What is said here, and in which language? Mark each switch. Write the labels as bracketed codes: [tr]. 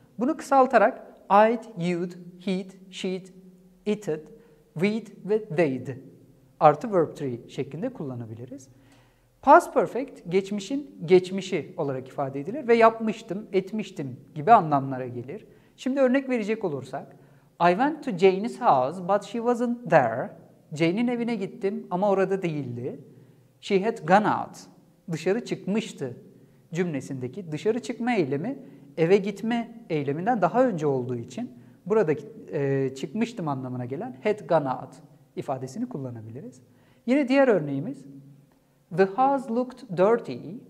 [tr] Bunu kısaltarak I'd, you'd, he'd, she'd, it'd, we'd ve they'd artı verb tree şeklinde kullanabiliriz. Past perfect geçmişin geçmişi olarak ifade edilir ve yapmıştım, etmiştim gibi anlamlara gelir. Şimdi örnek verecek olursak, [en] I went to Jane's house but she wasn't there. [tr] Jane'in evine gittim ama orada değildi. [en] She had gone out. [tr] Dışarı çıkmıştı cümlesindeki dışarı çıkma eylemi eve gitme eyleminden daha önce olduğu için buradaki çıkmıştım anlamına gelen had gone out ifadesini kullanabiliriz. Yine diğer örneğimiz, [en] the house looked dirty.